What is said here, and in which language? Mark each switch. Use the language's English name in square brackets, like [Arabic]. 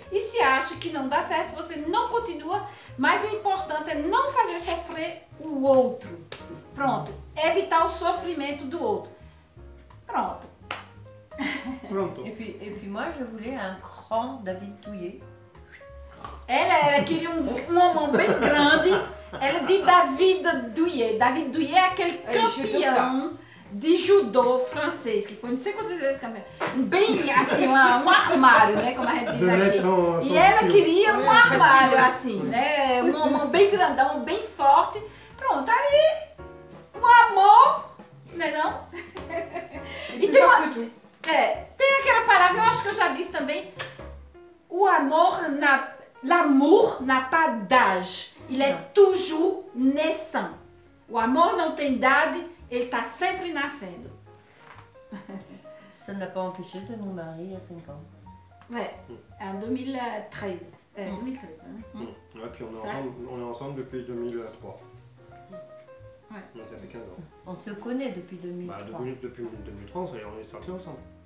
[Portuguese] E se acha que não dá certo, você não continua. Mas o importante é não fazer sofrer o outro. Pronto. Evitar o sofrimento do outro. Pronto. Pronto. [French] Et puis moi je voulais un grand David Douillet. [Portuguese] Ela queria um homem bem grande. Ela de David Douillet. David Douillet é aquele campeão de judô francês, que foi não sei quantas vezes campeão. Bem assim, um armário, né? Como a gente diz aqui. E ela queria um armário assim, né? Um homem bem grandão, bem forte. Pronto, aí um amor, né não? E tem uma. Tem aquela palavra, eu acho que eu já disse também, o amor, [French] l'amour n'a pas d'âge, il est toujours naissant. [Portuguese] O amor não tem idade, ele está sempre nascendo. [French] Ça n'a pas empêché de nous marier à 5 ans. Ouais, en 2013. Et puis on est ensemble depuis 2003. Ouais. Ça fait 15 ans. On se connaît depuis 2003. Depuis 2003, ça y est, on est sortis ensemble.